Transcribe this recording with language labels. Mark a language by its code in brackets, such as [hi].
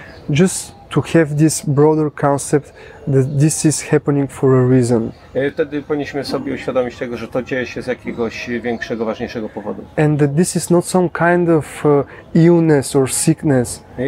[en] Just to have this broader concept that this is happening for a reason. [pl] Wtedy powinniśmy sobie uświadomić tego, że to dzieje się z jakiegoś większego, ważniejszego powodu. [en] And that this is not some kind of illness or sickness.